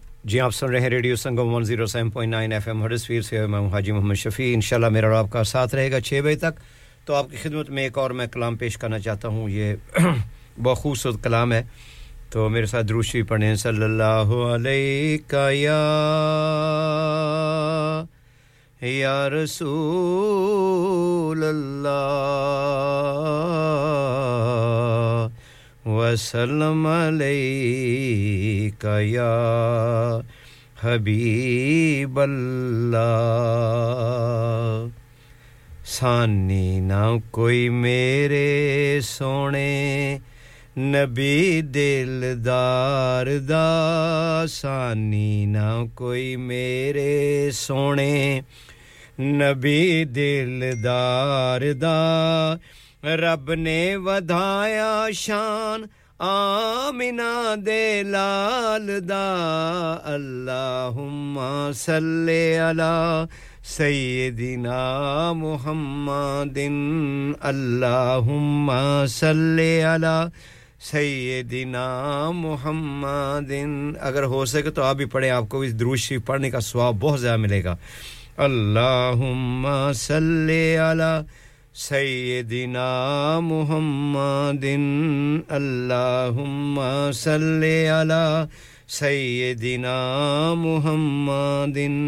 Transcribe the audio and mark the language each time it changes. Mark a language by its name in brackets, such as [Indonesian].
[Urdu] جی آپ سن رہے ہیں ریڈیو سنگم 107.9 ایف ایم ہڈرسفیلڈ سے میں ہوں حاجی محمد شفیع انشاءاللہ میرا اور آپ کا ساتھ رہے گا 6 بجے تک تو آپ کی خدمت میں ایک اور میں کلام پیش کرنا چاہتا ہوں یہ بہت خوبصورت کلام ہے تو میرے ساتھ درود شریف پڑھنے ہیں [Arabic] صلی اللہ علیک یا رسول اللہ و وسلم علیک یا حبیب اللہ [Punjabi] سانی نہ کوئی میرے سونے نبی دلدار دا سانی نہ کوئی میرے سونے نبی دلدار دا رب نے ودھایا شان آمینہ دے لال دا [Arabic] اللہم صلی علی سیدنا محمد اللہم صلی علی سیدنا محمد [Urdu] اگر ہو سکے تو آپ بھی پڑھیں آپ کو بھی درود شریف پڑھنے کا ثواب بہت زیادہ ملے گا [Arabic] اللہم صلی علی سیدنا محمد اللہم صلی علی سیدنا محمد